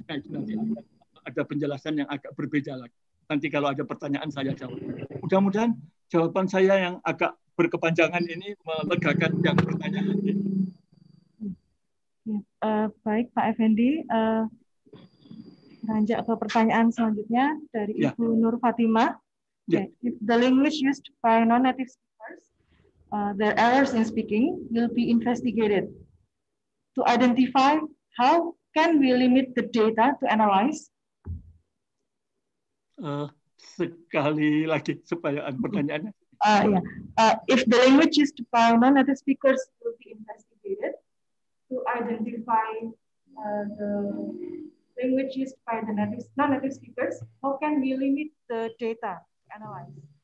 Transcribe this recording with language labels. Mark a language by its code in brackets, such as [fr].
[id] Nah, itu nanti ada penjelasan yang agak berbeda lagi. Nanti kalau ada pertanyaan saya jawab. Mudah-mudahan jawaban saya yang agak berkepanjangan ini melegakan yang bertanya. Baik Pak Effendi, lanjut ke pertanyaan selanjutnya dari Ibu Nur Fatima. [en] Okay. If the language used by non-native speakers, their errors in speaking will be investigated to identify how can we limit the data to analyze? [id] Sekali lagi supaya pertanyaannya. [en] If the language used by non-native speakers will be investigated to identify the language used by the non-native speakers, how can we limit the data to analyze?